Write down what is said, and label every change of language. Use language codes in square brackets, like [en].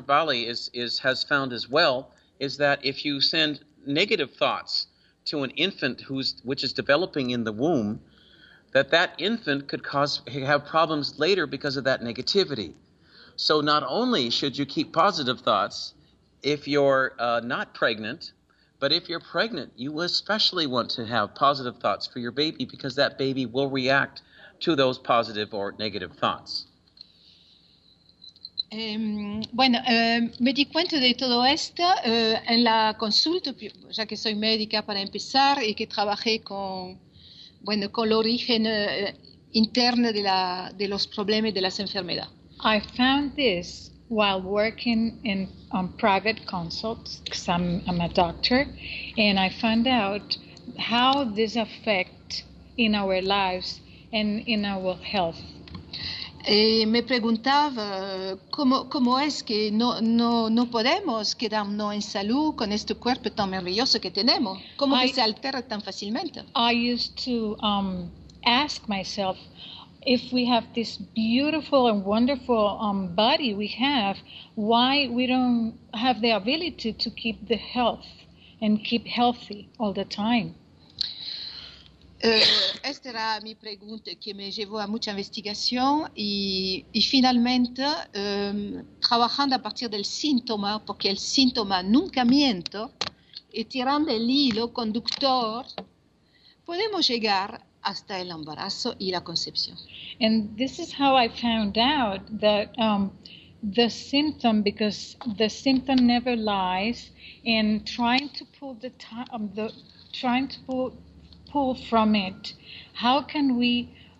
[en] Bali has found as well is that if you send negative thoughts to an infant which is developing in the womb, that infant could have problems later because of that negativity. So not only should you keep positive thoughts if you're not pregnant, but if you're pregnant, you especially want to have positive thoughts for your baby because that baby will react to those positive or negative thoughts. [es] Me di cuenta de todo esto en la consulta, ya que soy médica para empezar y que trabajé con el origen interno de los problemas y de las enfermedades. [en] I found this while working on private consults, because I'm a doctor, and I found out how this affects in our lives and in our health. [es] Me preguntaba cómo es que no podemos quedarnos en salud con este cuerpo tan maravilloso que tenemos. ¿Cómo se altera tan fácilmente? [en] I used to ask myself, if we have this beautiful and wonderful body we have, why we don't have the ability to keep the health and keep healthy all the time? [es] Esta era mi pregunta que me llevó a mucha investigación y finalmente trabajando a partir del síntoma, porque el síntoma nunca miente, y tirando el hilo conductor, podemos llegar hasta el embarazo y la concepción. [en] And this is how I found out that the symptom, because the symptom never lies, in trying to pull the trying to pull from it, how can we